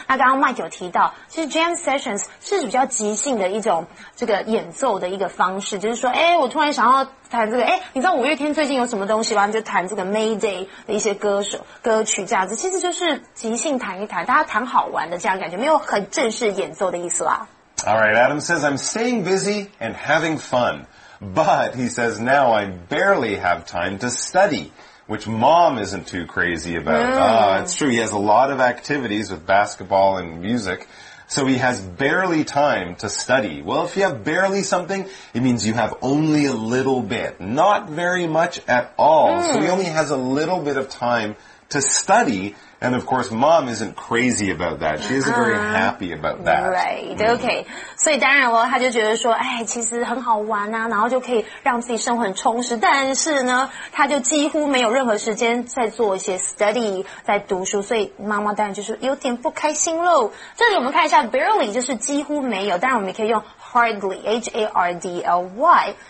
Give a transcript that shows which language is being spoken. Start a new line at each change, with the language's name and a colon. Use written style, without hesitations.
Chinese: 那刚刚 Mike 有提到其实 jam sessions 是比较即兴的一种这个演奏的一个方式就是说诶我突然想要弹这个诶你知道五月天最近有什么东西吗就弹这个 Mayday 的一些歌曲这样子其实就是即兴弹一弹大家弹好玩的这样感觉没有很正式演奏的意思啦
English: Alright, Adam says I'm staying busy and having fun But he says now I barely have time to study Which mom isn't too crazy about it's true, he has a lot of activities with basketball and musicSo he has barely time to study. Well, if you have barely something, it means you have only a little bit. Not very much at all. So he only has a little bit of time to study, And of course, mom isn't crazy about that. She isn't very happy about that. Right. Okay.
Chinese: 所以当然了，他就觉得说，哎，其实很好玩啊，然后就可以让自己生活很充实。但是呢，他就几乎没有任何时间在做一些 study， 在读书。所以妈妈当然就是有点不开心咯。这里我们看一下 barely 就是几乎没有，当然我们也可以用 hardly， H-A-R-D-L-Y。